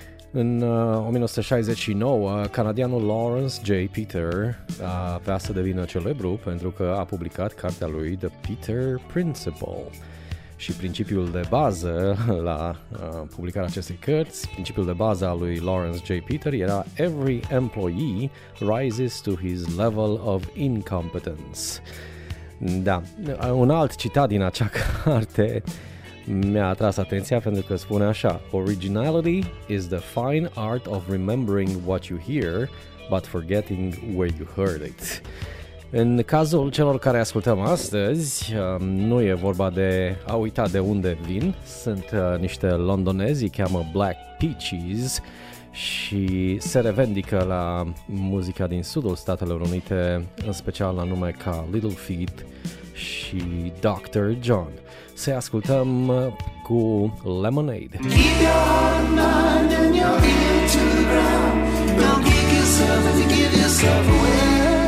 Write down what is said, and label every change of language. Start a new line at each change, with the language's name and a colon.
Romanian: În 1969, canadianul Lawrence J. Peter vrea să devină celebru pentru că a publicat cartea lui The Peter Principle. Și principiul de bază la publicarea acestei cărți, principiul de bază al lui Lawrence J.
English: Peter era: every employee rises to his level of incompetence.
Romanian: Da, un alt citat din acea carte mi-a atras atenția pentru că spune așa:
English: originality is the fine art of remembering what you hear, but forgetting where you heard it.
Romanian: În cazul celor care ascultăm astăzi, nu e vorba de a uita de unde vin. Sunt niște londonezi, îi cheamă Black Peaches și se revendică la muzica din sudul Statelor Unite, în special la nume ca Little Feat și Dr. John. Să-i ascultăm cu Lemonade.
English: Keep your heart in mind and your ear to the ground. Don't kick yourself if you give yourself away.